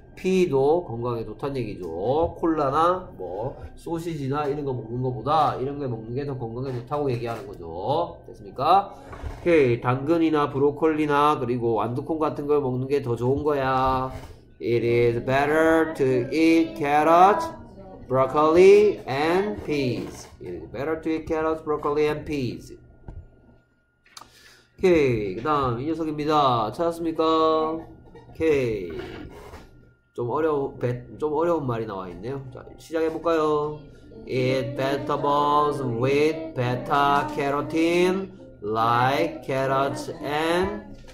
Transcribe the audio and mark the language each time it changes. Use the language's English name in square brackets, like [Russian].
[Korean] 피도 건강에 좋다는 얘기죠. 콜라나 뭐 소시지나 이런 거 먹는 것보다 이런 거 먹는 게 더 건강에 좋다고 얘기하는 거죠. 됐습니까? 오케이. 당근이나 브로콜리나 그리고 완두콩 같은 걸 먹는 게 더 좋은 거야. [English] It is better to eat carrots, broccoli and peas. It is better to eat carrots, broccoli and peas. [Korean] 오케이. 그다음 이 녀석입니다. 찾았습니까? 오케이. 좀 어려운 말이 나와 있네요. 자, 시작해 볼까요? [English] Eat vegetables with beta carotene like carrots and